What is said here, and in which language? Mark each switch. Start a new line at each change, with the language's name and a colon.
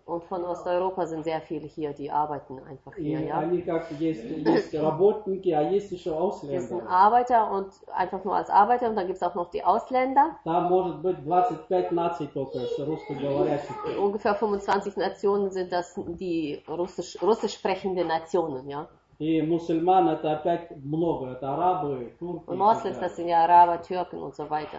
German: Und von Osteuropa sind sehr viele hier, die arbeiten einfach hier, ja.
Russian: Они как есть работники, а есть еще Ausländer.
German: Es sind Arbeiter und einfach nur als Arbeiter und dann gibt es auch noch die Ausländer.
Russian: Da может быть 25 наций только с русскоговорящих.
German: Ungefähr 25 Nationen sind das die russisch sprechende Nationen, ja.
Russian: И мусульман это опять много, это арабы, турки.
German: Muslims, das sind ja Araber, Türken und so weiter.